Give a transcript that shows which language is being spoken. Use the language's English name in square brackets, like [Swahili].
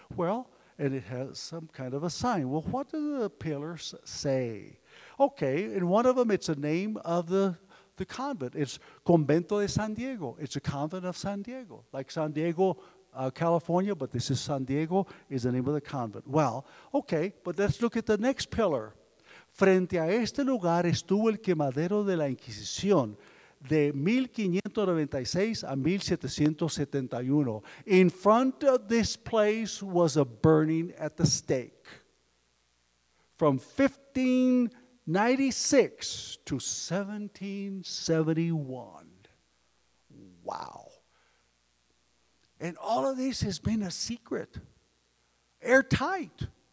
[English] Well, and it has some kind of a sign. Well, what do the pillars say? Okay, in one of them, it's a name of the convent. It's Convento de San Diego. It's a convent of San Diego, like San Diego, California, but this is San Diego, is the name of the convent. Well, okay, but let's look at the next pillar. [Spanish] Frente a este lugar estuvo el quemadero de la Inquisición, de 1596 a 1771. [English] In front of this place was a burning at the stake. From 1596 to 1771. Wow. And all of this has been a secret. Airtight.